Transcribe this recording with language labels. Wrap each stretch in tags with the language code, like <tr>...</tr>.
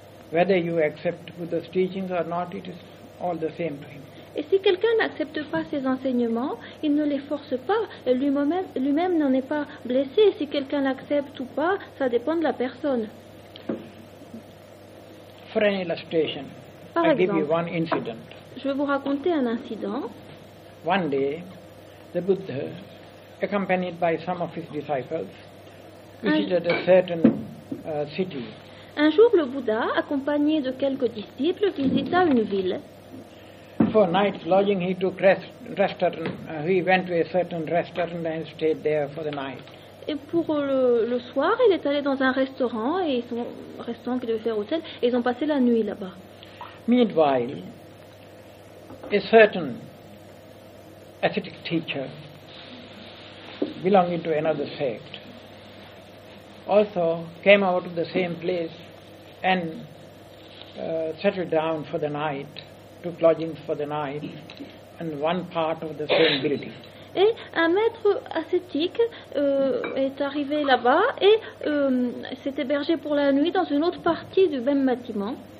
<en>Whether you accept Buddha's teachings or not, it is all the same to him.</en> <fr>Et si quelqu'un n'accepte pas ses enseignements, il ne les force pas, lui-même n'en est pas blessé. Si quelqu'un l'accepte ou pas, ça dépend de la personne.</fr> <en>For an illustration,</en> <fr>par exemple,</fr> <en>I give you one incident.</en> <fr>Je vais vous raconter un incident.</fr> <en>One day, the Buddha, accompanied by some of his disciples, visited a certain city.</en> <fr>Un jour, le Bouddha, accompagné de quelques disciples, visita une ville.</fr> <en>For night lodging, he took restaurant. He went to a certain restaurant and stayed there for the night.</en> <fr>Et pour le soir, il est allé dans un restaurant et ils sont restants qu'il devait faire hôtel et ils ont passé la nuit là-bas.</fr> <en>Meanwhile, a certain ascetic teacher belonging to another sect also came out of the same place and settled down for the night, took lodgings for the night in one part of the same building.</en> <fr>Et un maître ascétique est arrivé là-bas et s'est hébergé pour la nuit dans une autre partie du même bâtiment.</fr>